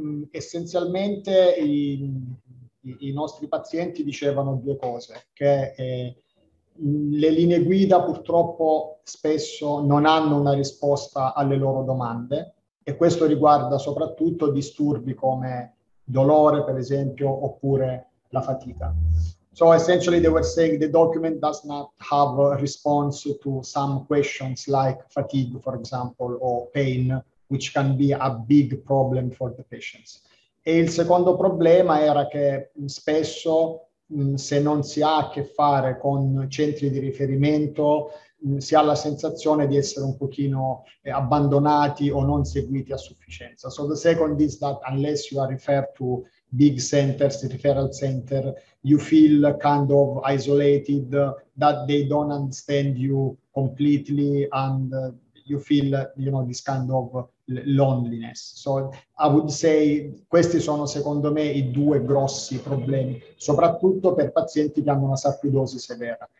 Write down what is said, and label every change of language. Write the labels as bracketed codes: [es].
[it] Essenzialmente i nostri pazienti dicevano due cose, che le linee guida purtroppo spesso non hanno una risposta alle loro domande, e questo riguarda soprattutto disturbi come dolore, per esempio, oppure la fatica. [en] So essentially they were saying the document does not have a response to some questions like fatigue, for example, or pain, which can be a big problem for the patients. [it] E il secondo problema era che spesso, se non si ha a che fare con centri di riferimento, si ha la sensazione di essere un pochino abbandonati o non seguiti a sufficienza. [en] So the second is that unless you are referred to big centers, referral center, you feel kind of isolated, that they don't understand you completely, and you feel, you know, this kind of loneliness. So I would say [it] questi sono secondo me i due grossi problemi, soprattutto per pazienti che hanno una sarcoidosi severa.